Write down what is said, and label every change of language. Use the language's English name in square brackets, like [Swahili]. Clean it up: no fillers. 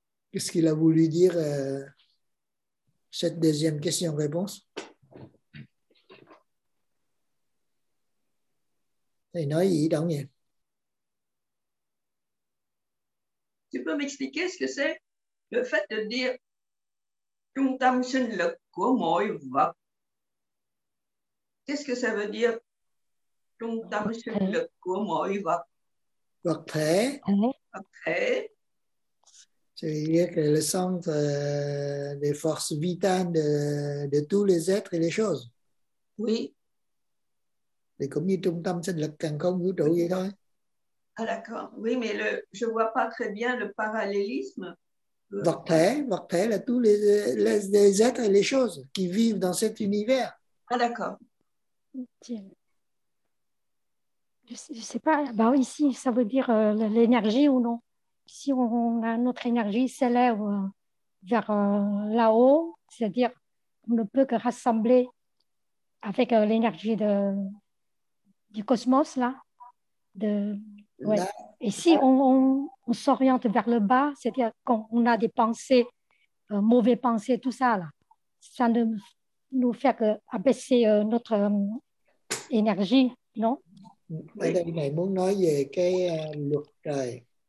[French] Qu'est-ce qu'il a voulu dire cette deuxième question-réponse? [Vietnamese] Thầy nói gì đó nhỉ? [French] Tu peux m'expliquer ce que c'est? Le fait de dire [Vietnamese] trung tâm sinh lực của mọi vật. [French] Qu'est-ce que ça veut dire? [Vietnamese] Trung tâm sinh lực của mọi vật. Vật thể. Vật thể. [French] C'est-à-dire que le centre des forces vitales de tous les êtres et les choses. Oui. [Vietnamese] Thì cũng như trung tâm sinh lực càng không vũ trụ vậy thôi. [French] Ah, d'accord. Oui, mais je ne vois pas très bien le parallélisme. [Vietnamese] Vật thể là [French] tous les êtres et les choses qui vivent dans cet univers. Ah, d'accord. Je sais pas. Bah oui, si, ça veut dire l'énergie ou non. Si on a notre énergie s'élève vers là-haut, c'est-à-dire on ne peut que rassembler avec l'énergie du cosmos là. Ouais. Et si on s'oriente vers le bas, c'est-à-dire quand on a des pensées, mauvaises pensées, tout ça là, ça ne nous fait que abaisser notre énergie, non? Mais là, mais [Vietnamese] muốn nói về cái luật trời.